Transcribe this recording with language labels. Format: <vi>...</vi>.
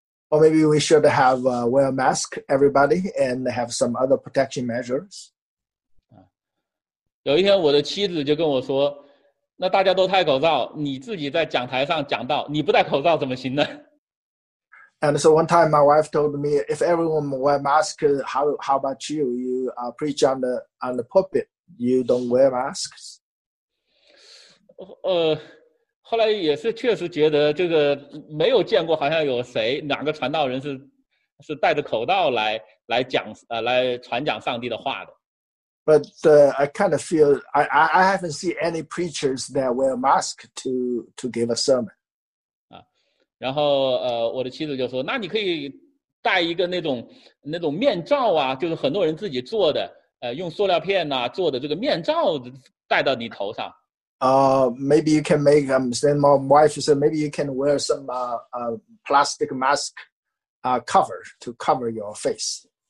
<en>Or maybe we should have wear mask everybody and have some other protection measures.</en> <zh>有一天我的妻子就跟我说，那大家都戴口罩，你自己在讲台上讲到，你不戴口罩怎么行呢？</zh> <en>And so one time my wife told me, if everyone wear mask, how about you? You preach on the pulpit, you don't wear masks?</en> <zh>后来也是确实觉得这个没有见过好像有谁哪个传道人是戴着口罩来传讲上帝的话的。</zh> <en>But I kind of feel I haven't seen any preachers that wear mask to give a sermon.</en> <zh>然后我的妻子就说，那你可以戴一个那种面罩啊，就是很多人自己做的，用塑料片啊做的这个面罩戴到你头上。</zh> <en>Maybe you can make then my wife said maybe you can wear some plastic mask cover to cover your face.</en>